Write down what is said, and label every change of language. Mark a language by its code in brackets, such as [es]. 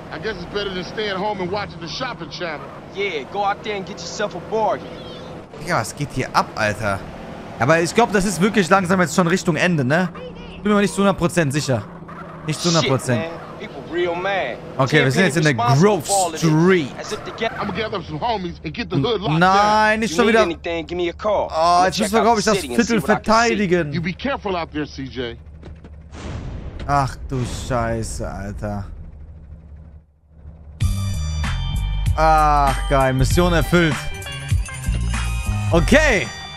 [en] I guess it's better than staying home and watching the shopping channel. Yeah, go out there and get yourself a bargain. [de] Ja, was geht hier ab, Alter? Aber ich glaube, das ist wirklich langsam jetzt schon Richtung Ende, ne? Bin mir nicht zu 100% sicher. Nicht zu 100%. [en] Shit, man. People real mad. [de] Okay, wir sind jetzt in der Grove Street. [en] I'm gather some homies and get the hood locked. [de] Nein, nicht schon wieder. [en] Anything, give me a call. [de] Oh, jetzt müssen wir, glaube ich, das Viertel verteidigen. [en] You be careful out there, CJ. [de] Ach du Scheiße, Alter. Ach geil, Mission erfüllt. Okay.